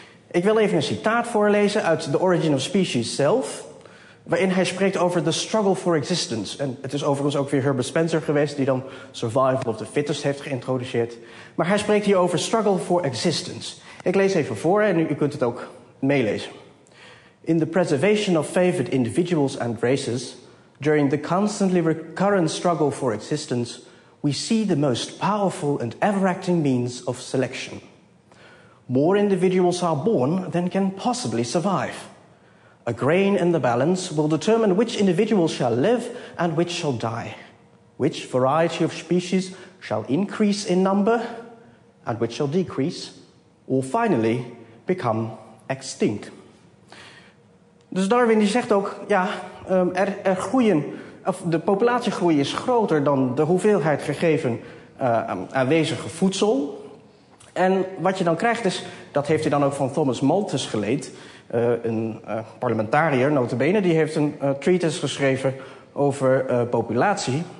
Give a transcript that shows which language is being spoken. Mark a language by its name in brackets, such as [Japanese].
[Dutch] Ik wil even een citaat voorlezen uit The Origin of Species zelf, waarin hij spreekt over [English] the struggle for existence. [Dutch] En het is overigens ook weer Herbert Spencer geweest die dan [English] survival of the fittest [Dutch] heeft geïntroduceerd. Maar hij spreekt hier over [English] struggle for existence. [Dutch] Ik lees even voor en u kunt het ook meelezen. [English] In the preservation of favored individuals and races, during the constantly recurrent struggle for existence, we see the most powerful and ever-acting means of selection. More individuals are born than can possibly survive. A grain in the balance will determine which individual shall live and which shall die, which variety of species shall increase in number and which shall decrease, or finally become extinct. [Dutch] Dus Darwin die zegt ook, ja, er groeien, of de populatiegroei is groter dan de hoeveelheid gegeven aanwezige voedsel. En wat je dan krijgt is, dat heeft hij dan ook van Thomas Malthus geleend. Een parlementariër, notabene, die heeft een treatise geschreven over populatie.